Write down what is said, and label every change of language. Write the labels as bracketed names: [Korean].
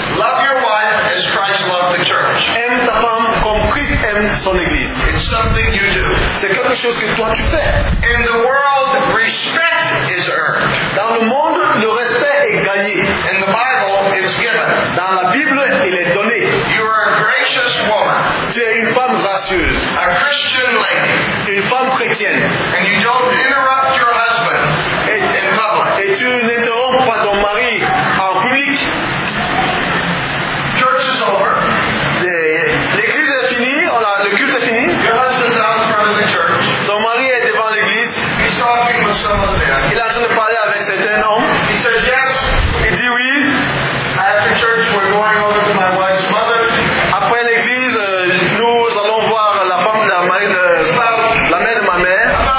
[English] Love your wife as Christ loved the church. [French] Aime ta femme comme Christ aime son église. [English] It's something you do. [French] C'est quelque chose que toi tu fais. [English] In the world, respect is earned. [French] Dans le monde, le respect est gagné. [English] In the Bible, it's given. [French] Dans la Bible, il est donné. [English] You are a gracious woman. [French] Tu es une femme gracieuse. [English] A Christian lady. [French] Une femme chrétienne. [English] And you don't interrupt your husband. [French] Et tu n'interromps pas ton mari en public. [English] Church is over. [French] L'église est finie, le culte est fini. [English] Your husband's out in front of the church. [French] Ton mari est devant l'église. [English] He's talking with some of them. [French] Il est en train de parler avec certains hommes. [English] He says yes. [French] Il dit oui. [English] After church, we're going over to my wife's mother. [French] Après l'église, nous allons voir la femme de la mère de ma mère.